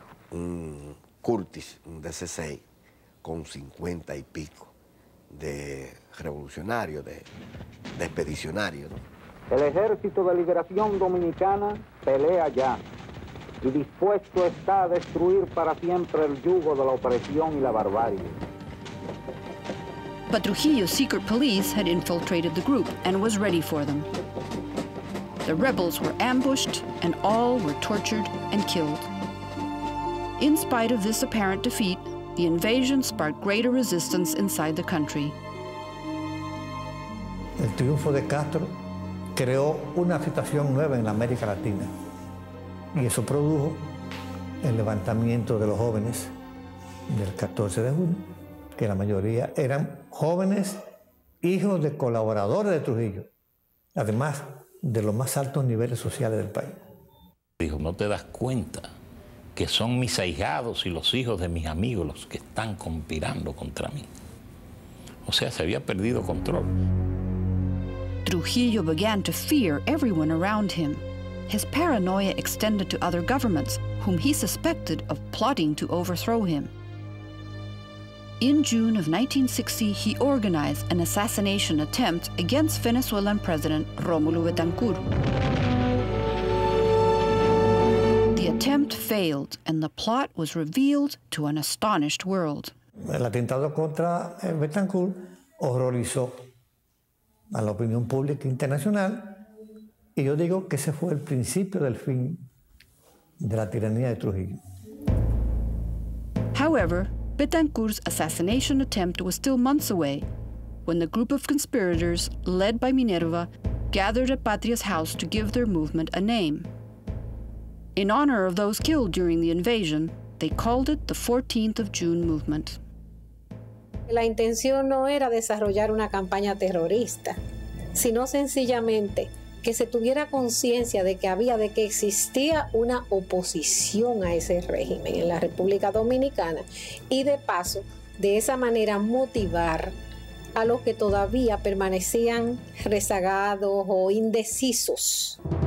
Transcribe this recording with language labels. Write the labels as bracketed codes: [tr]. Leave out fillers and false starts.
[es] Un Curtis, un DC-6, con 50 y pico de revolucionarios, de expedicionarios, ¿no? El Ejército de Liberación Dominicana pelea ya y dispuesto está a destruir para siempre el yugo de la opresión y la barbarie. [en] But Trujillo's secret police had infiltrated the group and was ready for them. The rebels were ambushed and all were tortured and killed. In spite of this apparent defeat, the invasion sparked greater resistance inside the country. [es] El triunfo de Castro creó una situación nueva en América Latina. Y eso produjo el levantamiento de los jóvenes del 14 de junio. Que la mayoría eran jóvenes hijos de colaboradores de Trujillo, además de los más altos niveles sociales del país. Dijo, ¿no te das cuenta que son mis ahijados y los hijos de mis amigos los que están conspirando contra mí? O sea, se había perdido control. [en] Trujillo began to fear everyone around him. His paranoia extended to other governments whom he suspected of plotting to overthrow him. In June of 1960, he organized an assassination attempt against Venezuelan President Rómulo Betancourt. The attempt failed, and the plot was revealed to an astonished world. [es] El atentado contra Betancourt horrorizó a la opinión pública internacional, y yo digo que ese fue el principio del fin de la tiranía de Trujillo. [en] However, Betancourt's assassination attempt was still months away when the group of conspirators, led by Minerva, gathered at Patria's house to give their movement a name. In honor of those killed during the invasion, they called it the 14th of June movement. [es] La intención no era desarrollar una campaña terrorista, sino sencillamente que se tuviera conciencia de que había, de que existía una oposición a ese régimen en la República Dominicana y de paso, de esa manera motivar a los que todavía permanecían rezagados o indecisos.